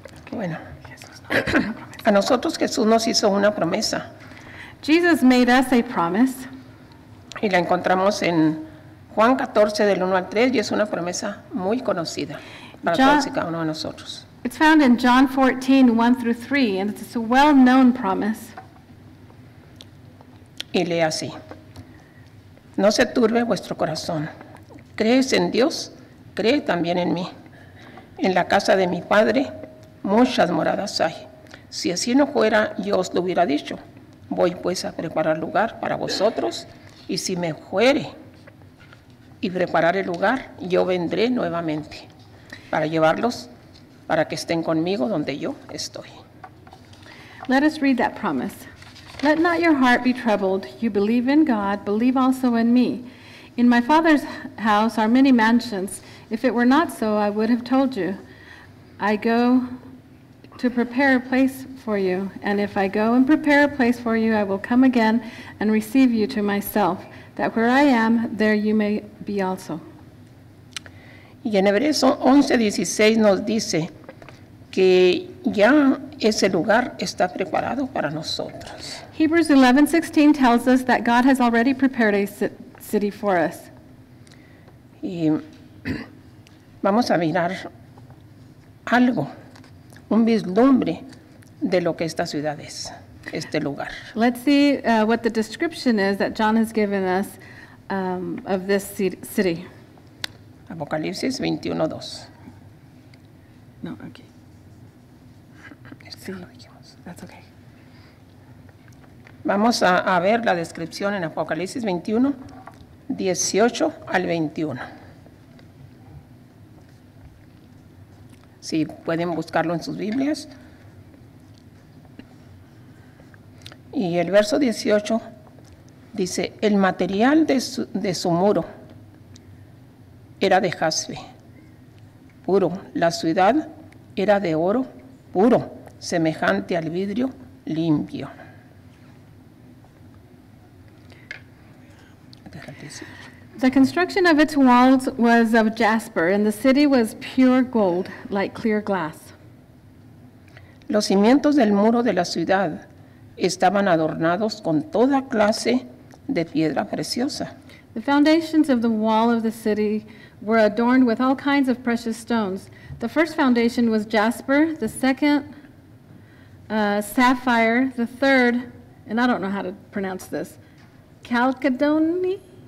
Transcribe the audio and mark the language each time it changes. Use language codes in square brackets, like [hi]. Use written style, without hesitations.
[es] Bueno, a nosotros Jesús nos hizo una promesa. [en] Jesus made us a promise. [es] Y la encontramos en Juan 14, del 1 al 3, y es una promesa muy conocida para todos y cada uno de nosotros. [en] It's found in John 14, 1 through 3, and it's a well-known promise. [es] Y lee así. No se turbe vuestro corazón. ¿Crees en Dios? Cree también en mí. En la casa de mi Padre, muchas moradas hay. Si así no fuera, yo os lo hubiera dicho. Voy pues a preparar lugar para vosotros. Y si me fuere y preparar el lugar, yo vendré nuevamente para llevarlos para que estén conmigo donde yo estoy. [en] Let us read that promise. Let not your heart be troubled. You believe in God, believe also in me. In my Father's house are many mansions. If it were not so, I would have told you. I go to prepare a place for you, and if I go and prepare a place for you, I will come again and receive you to myself, that where I am, there you may be also. [es] Y en Hebreos 11:16 nos dice que ya ese lugar está preparado para nosotros. [en] Hebrews 11:16 tells us that God has already prepared a city for us. [es] Y vamos a mirar algo, un vislumbre de lo que esta ciudad es, este lugar. [en] Let's see what the description is that John has given us of this city. [es] Apocalipsis 21:2. [en] No, okay. [es] Vamos a ver la descripción en Apocalipsis 21:18-21. Si pueden buscarlo en sus Biblias. Y el verso 18 dice, el material de su muro era de jaspe, puro. La ciudad era de oro puro, semejante al vidrio limpio. [en] The construction of its walls was of jasper, and the city was pure gold, like clear glass. [es] Los cimientos del muro de la ciudad estaban adornados con toda clase de piedra preciosa. [en] The foundations of the wall of the city were adorned with all kinds of precious stones. The first foundation was jasper, the second sapphire, the third, and I don't know how to pronounce this, chalcedony?